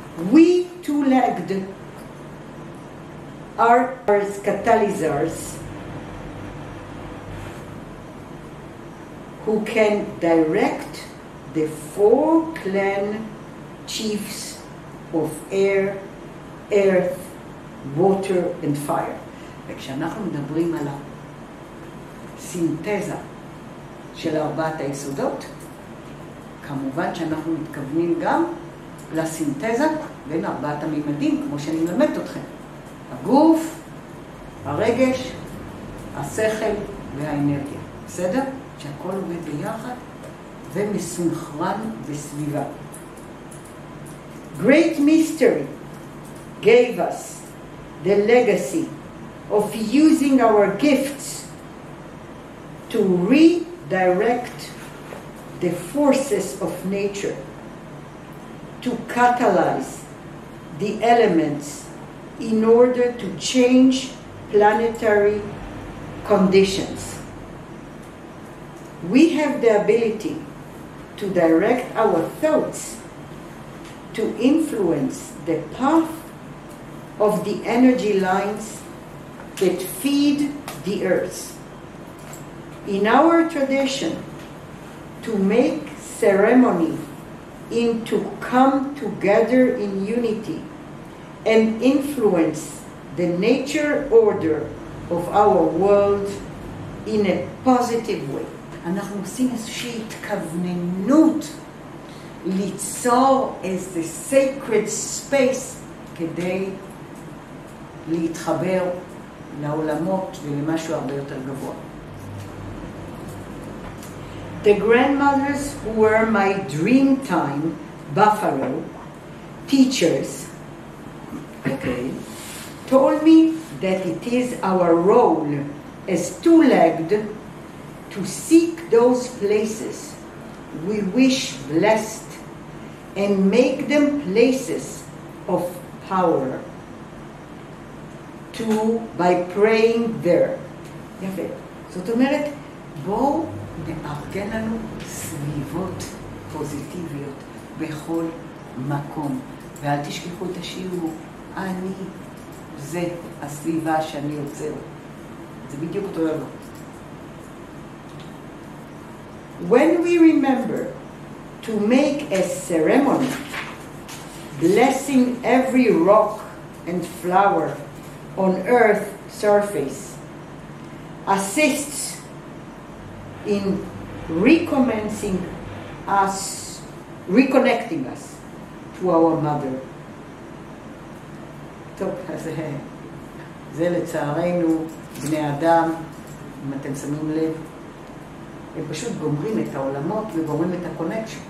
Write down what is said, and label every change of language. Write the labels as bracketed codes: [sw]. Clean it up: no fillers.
[en] We two-legged are our catalysts who can direct the four clan chiefs of air, earth, water and fire. [he] וכשאנחנו מדברים על הסינתזה של ארבעת היסודות, כמובן שאנחנו מתכוונים גם לסינתזה בין ארבעת הממדים, כמו שאני מלמדת אתכם. הגוף, הרגש, השכל והאנרגיה. בסדר? שהכל עובד ביחד ומסונכרן בסביבה. [en] Great mystery gave us the legacy of using our gifts to redirect the forces of nature, to catalyze the elements in order to change planetary conditions. We have the ability to direct our thoughts to influence the path of the energy lines that feed the earth. In our tradition, to make ceremony into come together in unity and influence the nature order of our world in a positive way. [he] אנחנו עושים איזושהי התכווננות ליצור איזה sacred space כדי להתחבר לעולמות ולמשהו הרבה יותר גבוה. [en] The grandmothers who were my dream time buffalo teachers told me that it is our role as two-legged to seek those places we wish blessed and make them places of power to by praying there. [he] יפה. זאת אומרת, בואו נארגן לנו סביבות פוזיטיביות בכל מקום. ואל תשכחו את השיעור, אני זה הסביבה שאני יוצר. זה בדיוק אותו דבר. [en] When we remember to make a ceremony blessing every rock and flower on earth's surface assists in recommencing us, reconnecting us to our mother. [he] טוב, אז זה לצערנו בני אדם, אם אתם שמים לב, הם פשוט גומרים את העולמות וגומרים את הקונקשן.